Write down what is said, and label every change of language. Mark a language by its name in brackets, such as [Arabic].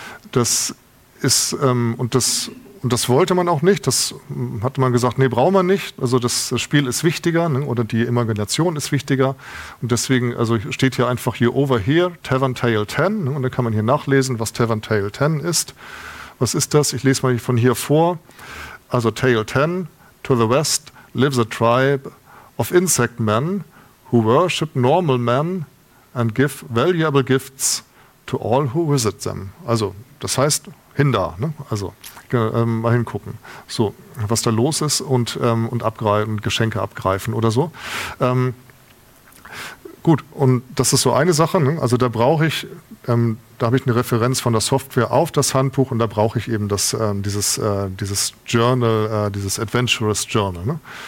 [German] Das wollte man auch nicht, das hatte man gesagt, nee, braucht man nicht, also das Spiel ist wichtiger, ne? Oder die Imagination ist wichtiger und deswegen, also steht hier einfach hier [English] over here, [German] Tavern Tale 10, ne? Und dann kann man hier nachlesen, was Tavern Tale 10 ist. Was ist das? Ich lese mal von hier vor. [English] Also Tale 10, to the west lives a tribe of insect men who worship normal men and give valuable gifts to all who visit them. [German] Also das heißt, hin da, ne? Also mal hingucken, so, was da los ist und abgreifen, Geschenke abgreifen oder so. Gut, und das ist so eine Sache, ne? Also da brauche ich, da habe ich eine Referenz von der Software auf das Handbuch und da brauche ich eben dieses Adventurous Journal. Ne?